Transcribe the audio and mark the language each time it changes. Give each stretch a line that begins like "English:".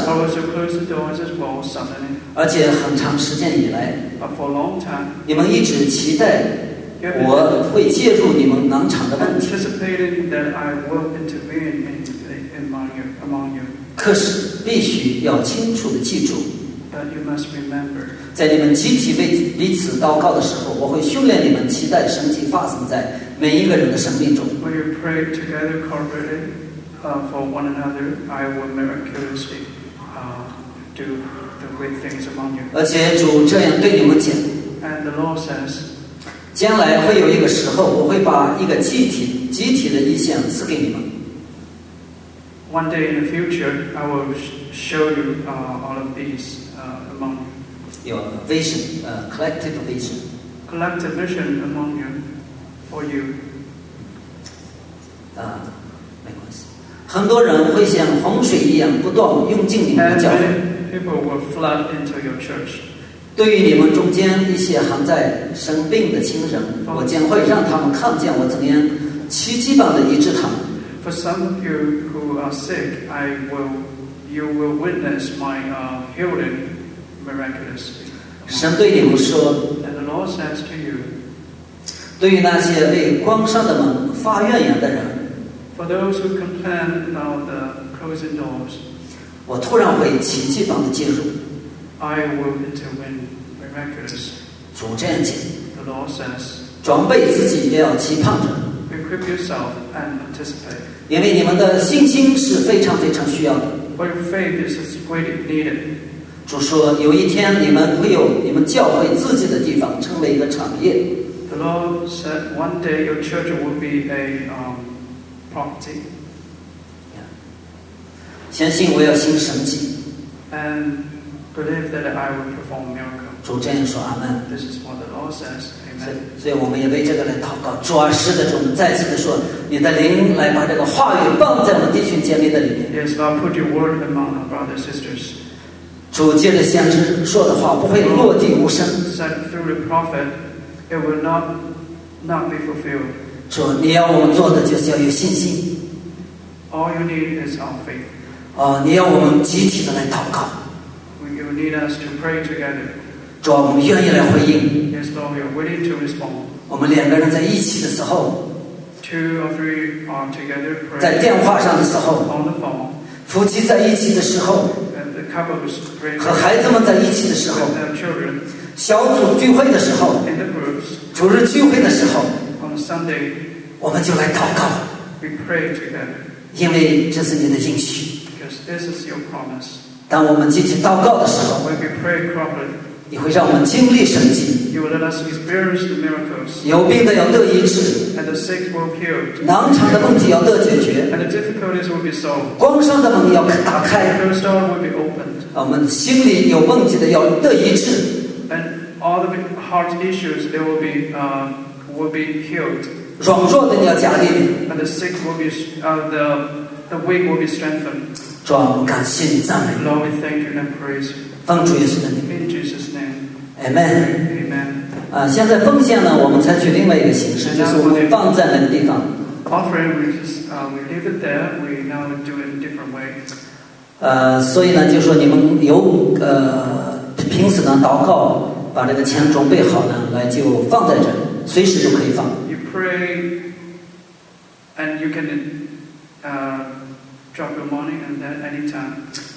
English: I will close the doors as well, suddenly.
Chinese: 而且很长时间以来，
English: But for a long time,
Chinese: 你们一直期待我会介入你们能产的问题，
English: anticipated that I will intervene among you.
Chinese: 可是必须要清楚地记住，
English: But you must remember,
Chinese: 在你们集体为彼此祷告的时候，我会训练你们期待神迹发生在每一个人的生命中。
English: When you pray together corporately for one another, I will miraculously do the great things among you.
Chinese: 而且主这样对你们讲。
English: And the Lord says,
Chinese: 将来会有一个时候，我会把一个集体的意象赐给你们。
English: One day in the future, I will show you all of these among you. Your vision, collective vision. Collective vision among you. For you.
Chinese: 没关系。很多人会像洪水一样不断涌进你们的教会。
English: People will flood into your church.
Chinese: 对于你们中间一些还在生病的亲人，我将会让他们看见我怎样奇迹般的医治他们。
English: For some of you who are sick, you will witness my healing miraculously.
Chinese: 神对你们说。
English: And the Lord says to you.
Chinese: 对于那些为关上的门发怨言的人，
English: For those who complain about the closing doors,
Chinese: 我突然会奇迹般的介入。
English: I will intervene miraculously.
Chinese: 主这样讲。
English: The Lord says,
Chinese: 装备自己也要期盼着。
English: Equip yourself and anticipate.
Chinese: 因为你们的信心是非常非常需要的。
English: But your faith is greatly needed.
Chinese: 主说，有一天你们会有你们教会自己的地方，成为一个产业。
English: The Lord said, "One day your church will be a property."
Chinese: Yeah. 相信我要行神迹。
English: And believe that I will perform miracle.
Chinese: 主这样说，阿门。
English: This is what the Lord says. Amen.
Chinese: 所以我们也为这个来祷告。主啊，是的，主，再次的说，你的灵来把这个话语放在我们弟兄姐妹的里面。
English: Yes, Lord, put your word among our brothers and sisters.
Chinese: 主借着先知说的话不会落地无声。
English: Said through the prophet. It will not be fulfilled.
Chinese: 主，你要我们做的就是要有信心。
English: All you need is our faith.
Chinese: 你要我们集体的来祷告。
English: You need us to pray together.
Chinese: 主，我们愿意来回应。
English: Yes, Lord, we are willing to respond.
Chinese: 我们两个人在一起的时候。
English: Two or three are together praying.
Chinese: 在电话上的时候。
English: On the phone.
Chinese: 夫妻在一起的时候。
English: And the couples praying.
Chinese: 和孩子们在一起的时候。
English: And their children.
Chinese: 小组聚会的时候，
English: In the groups,
Chinese: 主日聚会的时候，
English: on Sunday,
Chinese: 我们就来祷告，
English: we pray together,
Chinese: 因为这是你的应许。
English: Because this is your promise.
Chinese: 当我们集体祷告的时候，
English: when we pray properly,
Chinese: 你会让我们经历神迹，
English: you will let us experience the miracles,
Chinese: 有病的要得医治，
English: and the sick will heal,
Chinese: 难缠的问题要得解决，
English: and the difficulties will be solved,
Chinese: 关上的门要打开，
English: the closed door will be opened,
Chinese: 我们心里有问题的要得医治。
English: All the heart issues they will be healed.
Chinese: 软弱的你要加力量。
English: And the sick will be, the weak will be strengthened.
Chinese: 主啊，我们感谢你赞美你。
English: Lord, we thank you and praise.
Chinese: 奉主耶稣的名。
English: In Jesus' name. Amen. Amen.
Chinese: 啊，现在奉献呢，我们采取另外一个形式，就是我们放在那个地方。
English: Offering, we just, we leave it there. We now do it in a different way.
Chinese: 所以呢，就说你们有平时呢祷告，把这个钱准备好呢，来就放在这，随时就可以放。
English: You pray, and you can drop your money and at any time.